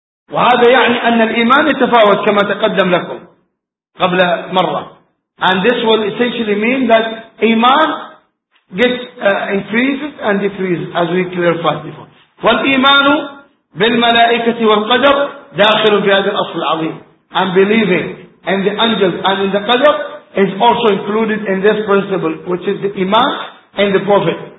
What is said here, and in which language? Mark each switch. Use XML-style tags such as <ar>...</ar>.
<ar>وهذا يعني أن الإيمان يتفاوت كما تقدم لكم قبل مرة.</ar> <en>And this will essentially mean that iman gets increases and decreases as we clarified before.</en> <ar>والإيمان بالملائكة والقدر داخل في هذا الأصل العظيم.</ar> <en>And believing in the angels and in the qadr is also included in this principle, which is the iman and the prophet.</en>